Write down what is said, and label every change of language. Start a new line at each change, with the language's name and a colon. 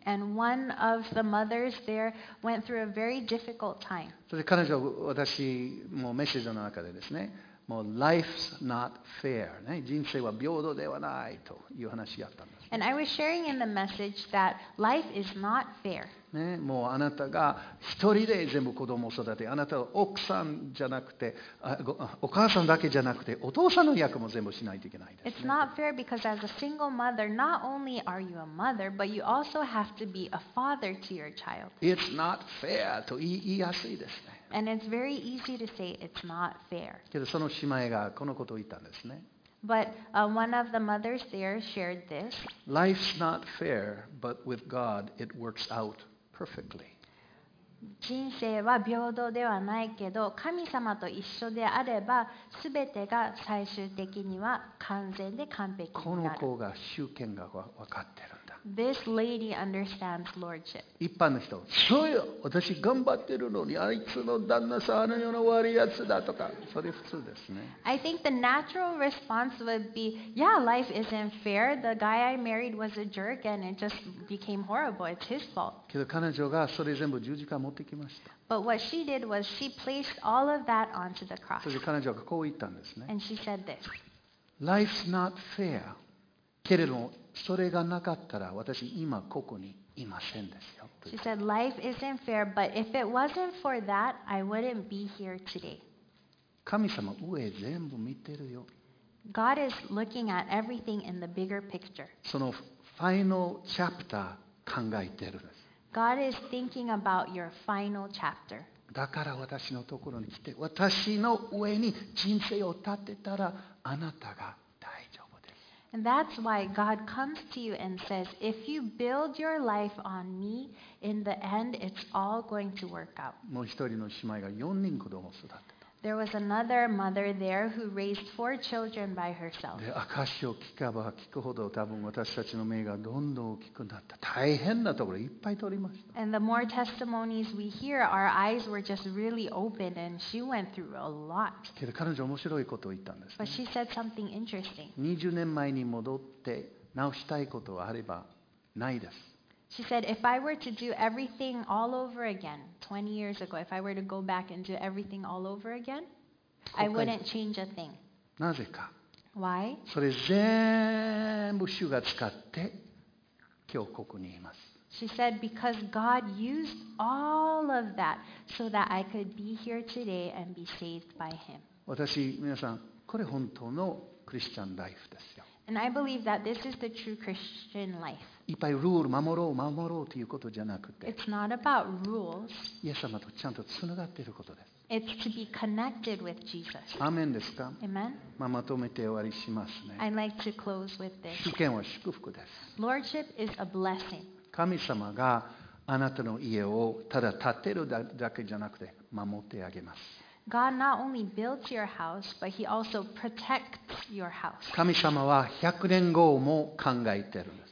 English: And one of the mothers there went through a very difficult time.
Japanese: それで彼女は私もメッセージの中でですね、もう
English: life's not fair
Japanese: ね、人生は平等ではないという話があったんです。
English: And I was sharing in the message that life is not fair.
Japanese: ね、もうあなたが一人で全部子供を育て、あなたは奥さんじゃなくて、お母さんだけじゃなくて、お父さんの役も全部しないといけないですね。
English: It's not fair because as a single mother, not only are you a mother, but you also have to be a father to your child. It's not fair
Japanese: と言いやすいですね。
English: And it's very easy to say it's not fair.
Japanese: けどその姉妹がこのことを言ったんですね。
English: But one of the mothers there shared this. Life's not fair, but with God, it works out.
Japanese: 人生は平等ではないけど、神様と一緒であれば、すべてが最終的には完全で完璧になる。この子が主権が分かってるんだ。
English: This lady understands lordship.
Japanese: 一般の人、そうよ、私頑張ってるのに、あいつの旦那さん、あのような悪いやつだとか、それ普通ですね。
English: I think the natural response would be, yeah, life isn't fair. The guy I married was a jerk and it just became horrible. It's his fault.
Japanese: けど彼女がそれ全部十字架持ってきました。
English: But what she did was she placed all of that onto the cross.
Japanese: そして彼女がこう言ったんですね。
English: And she said this. Life's not fair.
Japanese: けれどもそれがなかったら私今ここにいませんですよ。
English: She said life isn't fair, but if it wasn't for that, I wouldn't be here today.
Japanese: 神様上全部見てるよ。
English: God is looking at everything in the bigger picture.
Japanese: そのファイナルチャプター考えてるんです。
English: God is thinking about your final chapter.
Japanese: だから私のところに来て、私の上に人生を立てたらあなたが大丈夫です。
English: And that's why God comes to you and says, if you build your life on me, in the end, it's all going to work out.
Japanese: もう一人の姉妹が4人子供を育てた。
English: There was another mother there who raised four children by herself.
Japanese: で、証を聞けば聞くほど多分私たちの目がどんどん大きくなった。大変なところいっぱい通りました。
English: And the more testimonies we hear, our eyes were just really open and she went through a lot.
Japanese: けど彼女面白いことを言ったんですね。
English: But she said something interesting.
Japanese: 20年前に戻って直したいことはあればないです。
English: She said, if I were to do everything all over again, 20 years ago, if I were to go back and do everything all over again, I wouldn't change a thing.
Japanese: なぜか。
English: Why?
Japanese: それ全部主が使って今日ここにいます。
English: She said, because God used all of that so that I could be here today and be saved by Him.
Japanese: 私、皆さん、これ本当のクリスチャンライフですよ。
English: And I believe that this is the true Christian life.
Japanese: いっぱいルール守ろう守ろうということじゃなくて、
English: It's not about rules.
Japanese: イエス様とちゃんとつながっていることです。
English: It's to be connected with Jesus.
Japanese: アーメンですか？
English: Amen.
Japanese: まあ、まとめて終わりしますね。
English: I'd like to close with this.
Japanese: 主権は祝福です。
English: Lordship is a blessing.
Japanese: 神様があなたの家をただ建てるだけじゃなくて守ってあげます。
English: God not only builds your house, but He also protects your house.
Japanese: 神様は100年後も考えてるんです。